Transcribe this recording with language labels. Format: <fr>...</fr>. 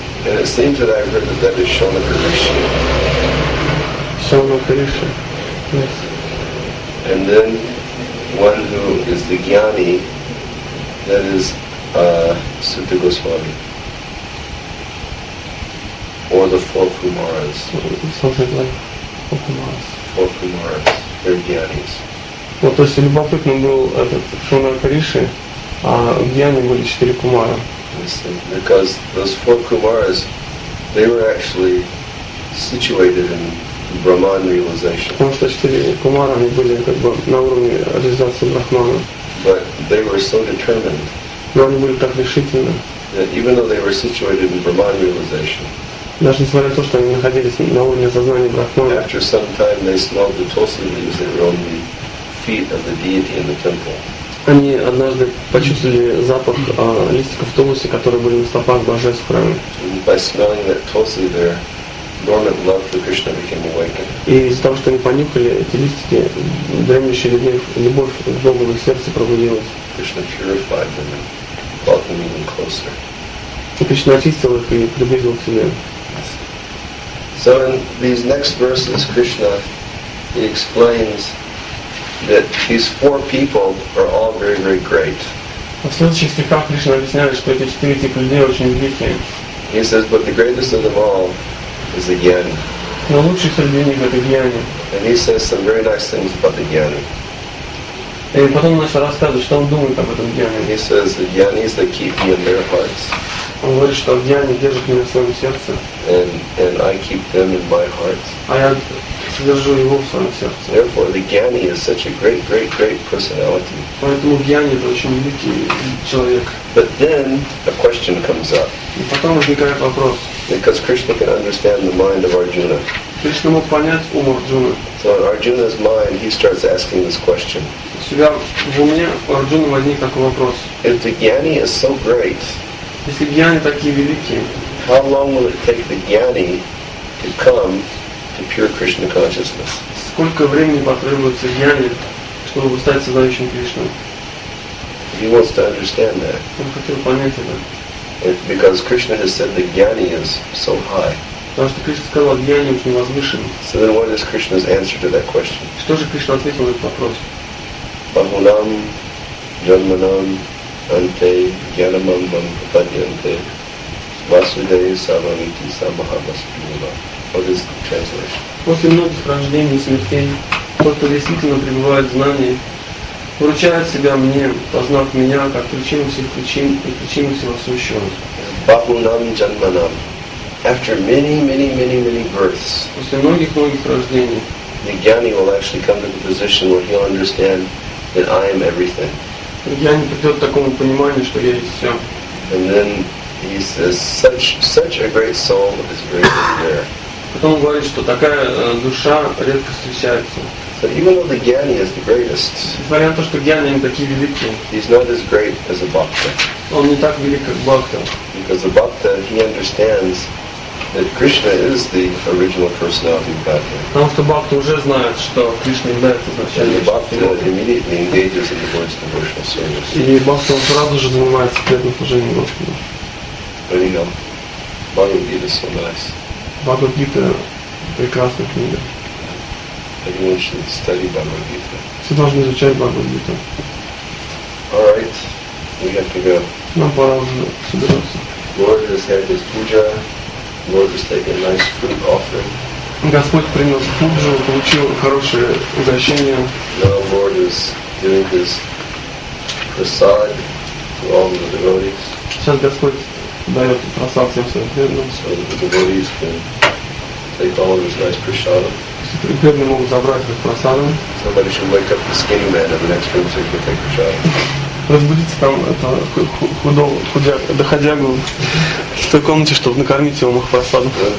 <en>And it seems that I've heard that is Shonakarishi. Shonakarishi, yes. And then one who is the Jnani, that is Sutta Goswami. Or the four Kumaras. Something like four Kumaras. Four Kumaras, they're Jnanis.</en> <ru>Вот, то есть любопытным был этот Шонакариши, а где они были четыре кумара?</ru> <en>Because those four kumaras, they were actually situated in Brahman realization.</en> <ru>Потому что четыре кумара они были как бы на уровне реализации Брахмана.</ru> <en>But they were so determined.</en> <ru>Но они были так решительны.</ru> <en>That even though they were situated in Brahman realization.</en> <ru>Даже несмотря на то, что они находились на уровне сознания Брахмана.</ru> <en>After some time, they smelled the tulsi leaves that were on the feet of the deity in the temple.</en> <ru>Они однажды почувствовали запах листиков тулуси, которые были на стопах божеств храме.</ru> <en>By smelling that tulsi there, dormant love for Krishna became awakened.</en> <ru>И из-за того, что они понюхали эти листики, дремлющая любовь к Богу в их сердце пробудилась.</ru> <en>Krishna purified them and brought them even closer.</en> <ru>И Кришна очистил их и приблизил к себе.</ru> <en>So in these next verses, Krishna, he explains that these four people are all very, very great.</en> <ru>В следующих стихах Кришна объясняет, что эти четыре типа людей очень великие.</ru> <en>He says, but the greatest of them all is the Jnani.</en> <ru>Но лучший среди них это Jnani.</ru> <en>And he says some very nice things about the Jnani.</en> <ru>И потом он начал рассказывать, что он думает об этом Jnani.</ru> <en>He says, the Jnani is the key in their hearts.</en> <ru>Он говорит, что огни они держат меня в своем сердце.</ru> <en>And I keep them in my heart.</en> <ru>А я содержу его в своем сердце.</ru> <en>Therefore, the Gyani is such a great personality.</en> <ru>Поэтому Гьяни это очень великий человек.</ru> <en>But then a question comes up.</en> <ru>И потом возникает вопрос.</ru> <en>Because Krishna can understand the mind of Arjuna.</en> <ru>Кришна мог понять ум Арджуны.</ru> <en>So in Arjuna's mind, he starts asking this question.</en> <ru>Себя в уме Арджуны возник такой вопрос.</ru> <en>If the Gyani is so great.</en> <ru>Если гьяни такие великие,</ru> <en>how long will it take the gyani to come to pure Krishna consciousness?</en> <ru>Сколько времени потребуется гьяни, чтобы стать сознающим Кришной?</ru> <en>He wants to understand that.</en> <ru>Он хотел понять это.</ru> <en>It's because Krishna has said the gyani is so high.</en> <ru>Потому что Кришна сказал, гьяни очень возвышен.</ru> <en>So then what is Krishna's answer to that question?</en> <ru>Что же Кришна ответил на этот вопрос?</ru> <sa>Бахунам, джанманам, анте, гьянамам, бампападьянте, васудей, саванити, самахамаспинула.</sa> <en>What is the translation?</en> <ru>После многих рождений и смертей, тот, кто действительно пребывает в знании, вручает себя мне, познав меня, как причину всех причин и причину всего сущего.</ru> <sa>Бахунам, джанманам.</sa> <en>After many births,</en> <ru>после многих рождений,</ru> <en>the gyani will actually come to the position where he'll understand that I am everything.</en> <ru>Гьяни придет к такому пониманию, что я есть все.</ru> <en>And then he says, such a great soul is very rare.</en> <ru>Потом он говорит, что такая душа редко встречается.</ru> <en>So even though the gyani is the greatest,</en> <ru>несмотря на то, что гьяни они такие великие,</ru> <en>he's not as great as a bhakta.</en> <ru>Он не так велик, как бхакта.</ru> <en>Because a bhakta, he understands that Krishna is the original personality of Godhead.</en> <ru>Потому что бхакта уже знает, что Кришна является изначальным.</ru> <en>And the bhakta immediately engages in the Lord's devotional service.</en> <ru>И бхакта сразу же занимается преданным служением Господу.</ru> <en>But you know, Bhagavad-gita is so nice.</en> <ru>Бхагавад-гита прекрасная книга.</ru> <en>Everyone should study Bhagavad-gita.</en> <ru>Все должны изучать Бхагавад-гита.</ru> <en>All right, we have to go.</en> <ru>Нам пора уже собираться.</ru> <en>Lord has had his puja. Lord has taken a nice fruit offering.</en> <ru>Господь принес пуджу, получил хорошее угощение.</ru> <en>Now Lord is giving his prasad to all the devotees.</en> <ru>Сейчас Господь дает просад всем своим преданным.</ru> <en>So that the devotees can take all of his nice prasadam.</en> <ru>Преданные могут забрать этот просадом.</ru> <en>Somebody should wake up the skinny man of the next room so he can take prasadam.</en> <ru>Разбудите там доходягу в той комнате, чтобы накормить его махапрасадом.</ru>